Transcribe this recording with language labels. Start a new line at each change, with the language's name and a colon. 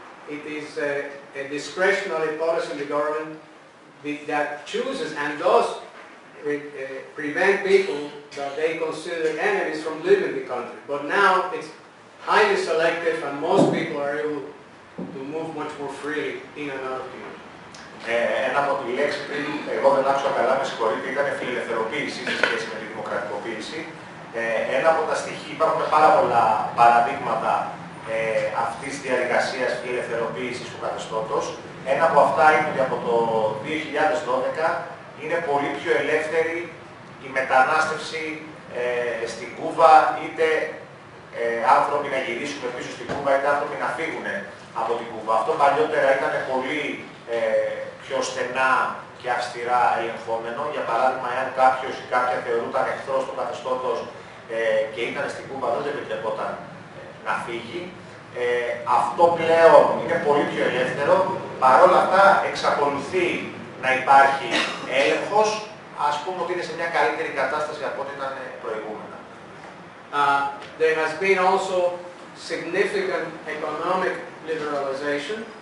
English: It is a discretionary policy of the government that chooses and does prevent people that they consider enemies from leaving the country. But now it's highly selective and most people are able to move much more freely in and out of Cuba.
Greek: Ένα από τη λέξη πριν, εγώ δεν άκουσα καλά, με συγχωρείτε, ήταν φιλελευθεροποίηση σε σχέση με τη δημοκρατικοποίηση. Ένα από τα στοιχεία, υπάρχουν πάρα πολλά παραδείγματα αυτής της διαδικασίας φιλελευθεροποίησης του καθεστώτος. Ένα από αυτά είναι ότι από το 2012 είναι πολύ πιο ελεύθερη η μετανάστευση στην Κούβα, είτε άνθρωποι να γυρίσουν πίσω στην Κούβα, είτε άνθρωποι να φύγουν από την Κούβα. Αυτό παλιότερα ήταν πολύ πιο στενά και αυστηρά ελεγχόμενο. Για παράδειγμα, εάν κάποιος ή κάποια θεωρούταν εχθρός του καθεστώτος και ήταν στην Κούβα, δεν επιτρεπόταν να φύγει. Αυτό πλέον είναι πολύ πιο ελεύθερο. Παρ' όλα αυτά, εξακολουθεί να υπάρχει έλεγχος. Ας πούμε ότι είναι σε μια καλύτερη κατάσταση από ό,τι ήταν προηγούμενα.
English: There has been also significant economic liberalization.